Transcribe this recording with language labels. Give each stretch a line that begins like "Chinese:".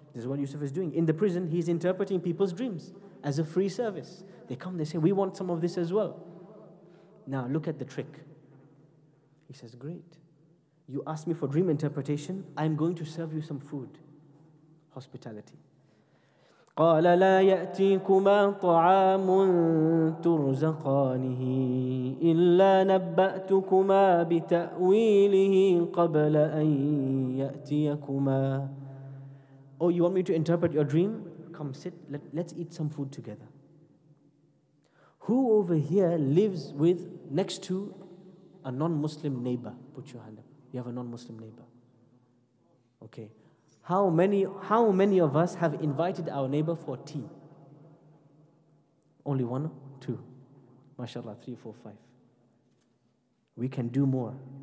English: This is what Yusuf is doing. In the prison, he's interpreting people's dreams as a free service. They come, they say, we want some of this as well. Now, look at the trick. He says, great. You asked me for dream interpretation. I'm going to serve you some food. Hospitality.
Arabic: قال لا يأتيكما طعام ترزقانه إلا نبأتكما بتأويله قبل أن يأتيكما.
English: Oh, you want me to interpret your dream? Come sit, let's eat some food together. Who over here lives with next to a non-Muslim neighbor? Put your hand up. You have a non-Muslim neighbor. Okay. How many of us have invited our neighbor for tea? Only one, two. MashaAllah, 3, 4, 5. We can do more.